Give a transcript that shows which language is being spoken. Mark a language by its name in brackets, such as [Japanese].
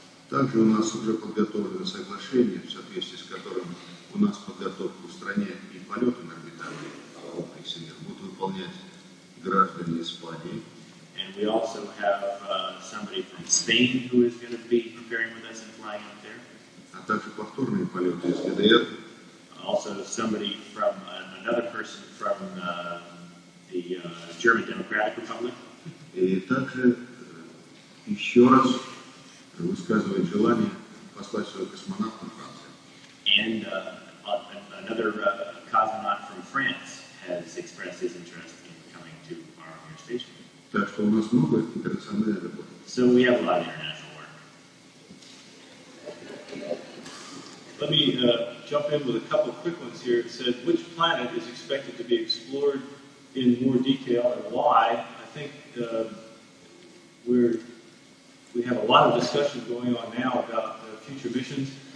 [Russian] Также у нас уже подготовлено соглашение, в соответствии с которым у нас подготовку в стране и полеты на орбитальные комплексы будут выполнять граждане Испании. [English] And we also have somebody from Spain who is going to be preparing with us and flying up there. [Russian] А также повторные полеты из ГДР. [English] Also somebody from another person from the German Democratic Republic. [Russian] И также еще раз высказывает желание послать своего космонавта в Францию. [English] And another cosmonaut from France has expressed his interest in coming to our station. [Russian] Так что у нас много интернациональной работы. [English] So we have a lot of international work. Let me jump in with a couple of quick ones here. It said, which planet is expected to be explored in more detail and why? I think we have a lot of discussion going on now about future missions.